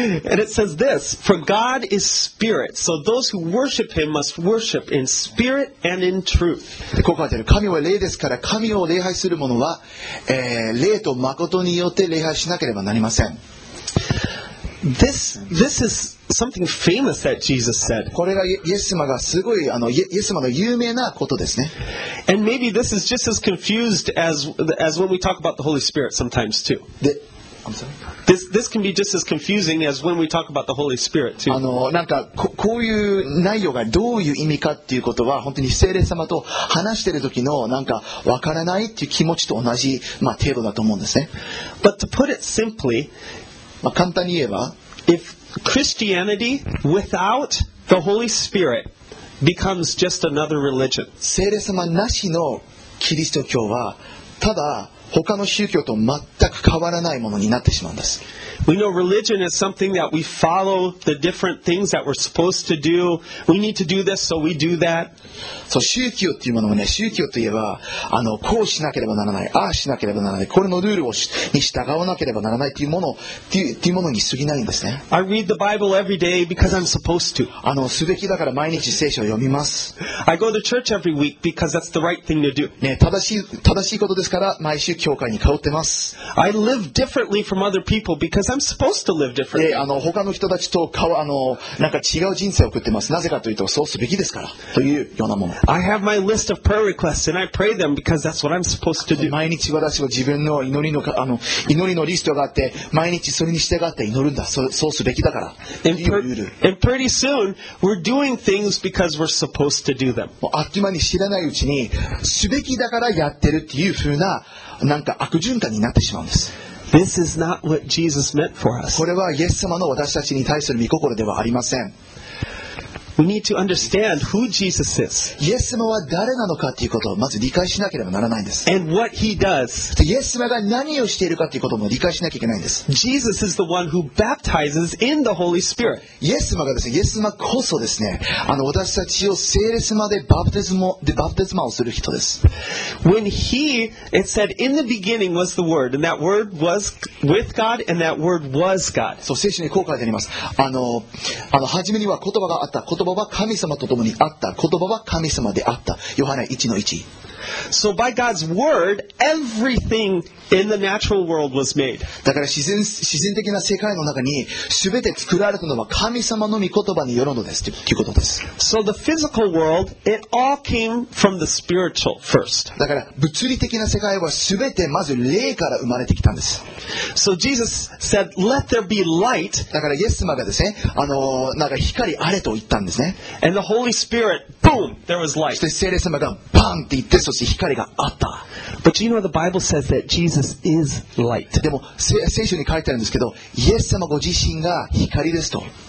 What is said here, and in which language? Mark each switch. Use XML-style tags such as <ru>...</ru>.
<en>And it says this, for God is spirit, so those who worship him must worship in spirit. And in truth.</en> <ja>ここ書いてある。神は霊ですから、神を礼拝する者は、霊と誠によって礼拝しなければなりません。</ja> <en>This is something famous that Jesus said.</en> <ja>これがイエス様がすごいイエス様の有名なことですね。</ja> <en>And maybe this is just as confused as when we talk about the Holy Spirit sometimes too. This can be just as confusing as when we talk about the Holy Spirit too.</en> <ja>なんか こういう内容がどういう意味かっていうことは、本当に聖霊様と話している時のなんかわからないっていう気持ちと同じ、程度だと思うんですね。</ja> <en>But to put it simply,</en> <ja>簡単に言えば、</ja> <en>if Christianity without the Holy Spirit becomes just another religion,</en> <ja>聖霊様なしのキリスト教はただ他の宗教と全く変わらないものになってしまうんです。</ja> <en>We know religion is something that we follow the different things that we're supposed to do. We need to do this, so we do that.</en> <ja>そう、宗教っていうものもね、宗教といえば、こうしなければならない、ああしなければならない、これのルールに従わなければならないっていうものに過ぎないんですね。</ja> <en>I read the Bible every day because I'm supposed to.</en> <ja>すべきだから毎日聖書を読みます。</ja> <en>I go to church every week because that's the right thing to do.</en> <ja>ね、正しいことですから毎週教会に通ってます。</ja> <en>I live differently from other people because I'm supposed to live differently.</en> <ja>他の人たちとなんか違う人生を送ってます。なぜかというと、そうすべきですから。というようなもの。</ja> <en>I have my list of prayer requests and I pray them because that's what I'm supposed to do.</en> <ja>毎日私は自分の祈りのリストがあって、毎日それに従って祈るんだ。そうすべきだから。</ja> <en>And pretty soon we're doing things because we're supposed to do them.</en> <ja>もうあっという間に知らないうちに、すべきだからやってるっていう風な、なんか悪循環になってしまうんです。</ja> <en>This is not what Jesus meant for us.</en> <ja>これはイエス様の私たちに対する御心ではありません。</ja> <en>We need to understand who Jesus is.</en> <ja>イエス様は誰なのかということをまず理解しなければならないんです。</ja> <en>And what he does.</en> <ja>イエス様が何をしているかということも理解しなきゃいけないんです。</ja> <en>Jesus is the one who baptizes in the Holy Spirit.</en> <ja>イエス様がですね、イエス様こそですね、私たちを聖霊様でバプテスマをする人です。</ja> <en>When he, it said, in the beginning was the Word, and that Word was with God, and that Word was God.</en> <ja>そう、聖書にこう書いてあります。初めには言葉があった。言葉は神様と共にあった。言葉は神様であった。ヨハネ 1:1。</ja> <en>So by God's word, everything in the natural world was made.</en> <ja>だから自然的な世界の中に全て作られたのは神様の御言葉によるのですということです。</ja> <en>So the physical world, it all came from the spiritual first.</en> <ja>だから物理的な世界は全てまず霊から生まれてきたんです。</ja> <en>So Jesus said, "Let there be light."</en> <ja>だからイエス様がですね、なんか光あれと言ったんですね。</ja> <en>And the Holy Spirit, boom, there was light.</en> <ja>そして聖霊様がバンって言って、そして光があった。</ja> <en>But you know the Bible says that Jesus is light.</en> <ja>でも聖書に書いてあるんですけど、イエス様ご自身が光ですと。</ja>